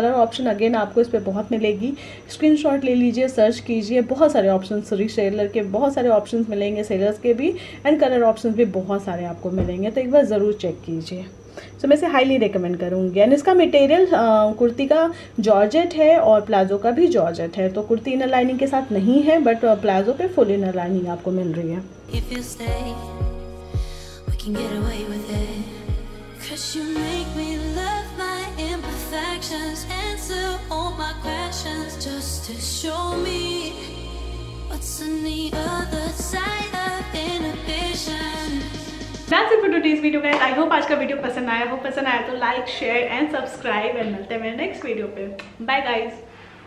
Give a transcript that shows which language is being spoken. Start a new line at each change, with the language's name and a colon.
Hindi: Colour option again आपको इस पर बहुत मिलेगी, स्क्रीनशॉट ले लीजिए, सर्च कीजिए, बहुत सारे ऑप्शन रीसेलर के बहुत सारे ऑप्शन मिलेंगे, सेलर्स के भी, एंड कलर ऑप्शन भी बहुत सारे आपको मिलेंगे, तो एक बार ज़रूर चेक कीजिए। सो मैं इसे हाईली रिकमेंड करूंगी। एंड इसका मटेरियल कुर्ती का जॉर्जेट है और प्लाजो का भी जॉर्जेट है, तो कुर्ती इनर लाइनिंग के साथ नहीं है बट प्लाजो पे फुल इनर लाइनिंग आपको मिल रही है।
English: If you stay, we can get away with it. Cause you make me love my imperfections, answer all my questions just to show me what's on the other side of inhibition. That's it for today's video guys. I hope
Hindi: आज का video पसंद आया, तो like share and subscribe, and मिलते हैं मेरे next video पे। Bye guys.